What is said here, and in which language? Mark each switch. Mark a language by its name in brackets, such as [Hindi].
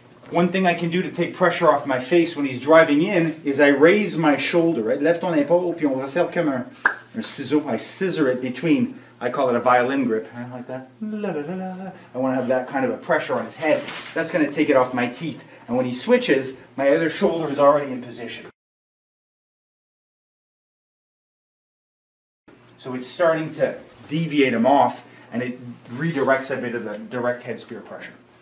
[English] One thing I can do to take pressure off my face when he's driving in is I raise my shoulder, right? [French] Lève ton épaule, puis on va faire comme un ciseau. [English] I scissor it between, I call it a violin grip, right? Like that. La, la, la, la. I wanna have that kind of a pressure on his head. That's gonna take it off my teeth. And when he switches, my other shoulder is already in position. So it's starting to deviate him off, and it redirects a bit of the direct head spear pressure.